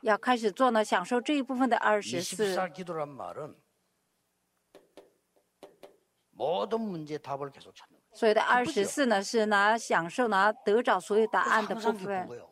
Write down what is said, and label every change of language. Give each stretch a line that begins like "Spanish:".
Chinese: 要开始做呢享受这一部分的24
Korean: 기도란 말은 모든 문제 답을 계속 찾는 거예요.
Chinese: 所谓的24呢是呢享受呢得找所有答案的部分.